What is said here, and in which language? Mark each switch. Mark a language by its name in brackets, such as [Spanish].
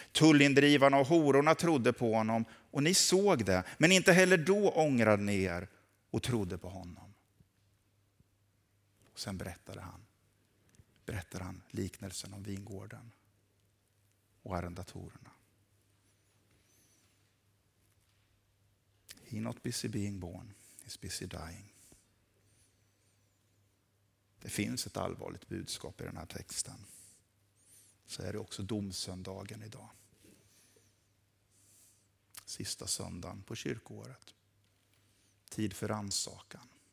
[Swedish] Tullindrivarna och hororna trodde på honom och ni såg det, men inte heller då ångrade ni er och trodde på honom. Och sen berättar han liknelsen om vingården och arrendatorerna. [English] He not busy being born is busy dying. [Swedish] Det finns ett allvarligt budskap i den här texten. Så är det också domsöndagen idag. Sista söndagen på kyrkoåret. Tid för rannsakan.